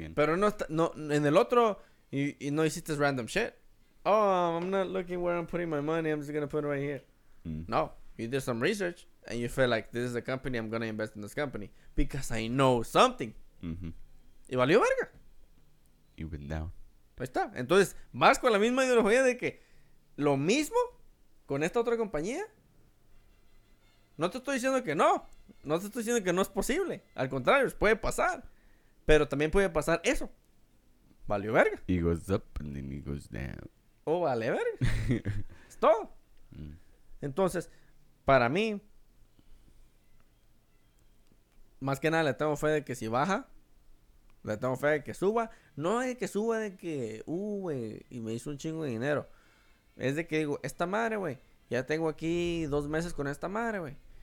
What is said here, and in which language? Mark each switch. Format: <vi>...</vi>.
<es>Pero no en el otro y no hiciste</es> <en>random shit. Oh, I'm not looking where I'm putting my money. I'm just going to put it right here. No. You did some research and you feel like this is a company I'm going to invest in this company because I know something. Mm-hmm.</en> <es>Y valió verga.</es> <en>You went down.</en> <es>Ahí está. Entonces, vas con la misma ideología de que lo mismo con esta otra compañía. No te estoy diciendo que no. No te estoy diciendo que no es posible. Al contrario, puede pasar. Pero también puede pasar eso. Valió verga.</es> <en>He goes up and then he goes down.</en> <es>Oh, vale verga. Es todo. Entonces, para mí, más que nada le tengo fe de que si baja, le tengo fe de que suba. No es que suba de que, güey, y me hizo un chingo de dinero. Es de que digo, esta madre, güey, ya tengo aquí 2 meses con esta madre, güey.</es>